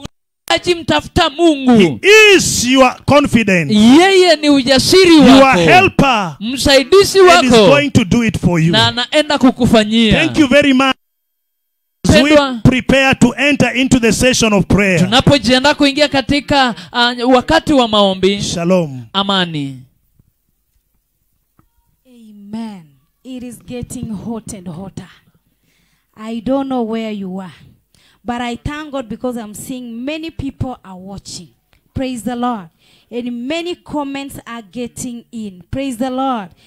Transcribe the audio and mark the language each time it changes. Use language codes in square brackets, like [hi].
[sw] Unahitaji mtafuta Mungu. [en] He is your confidence. [sw] Yeye ni ujasiri wako. [en] Your helper. [sw] Msaidizi wako. [en] And he's going to do it for you. [sw] Na anaenda kukufanyia. [en] Thank you very much. As we prepare to enter into the session of prayer. [sw] Tunapojiandaa kuingia katika wakati wa maombi. [en] Shalom. [sw] Amani. [en] Amen. It is getting hot and hotter. I don't know where you are. But I thank God because I'm seeing many people are watching. Praise the Lord. And many comments are getting in. Praise the Lord.